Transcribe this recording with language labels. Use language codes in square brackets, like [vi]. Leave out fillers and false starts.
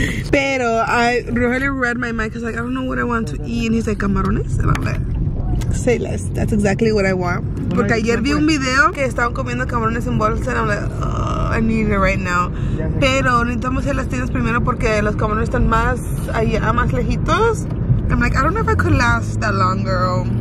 [en] Pero Rogelio read my mind because like, I don't know what I want to eat. And he's like, camarones? And I'm like, Say less. That's exactly what I want. [es] Bueno, porque ayer vi un video que estaban comiendo camarones en bolsa. [en] And I'm like, oh, I need it right now. [es] Pero necesitamos ir a las tiendas primero porque los camarones están más allá, más lejitos. [en] I'm like, I don't know if I could last that long, girl.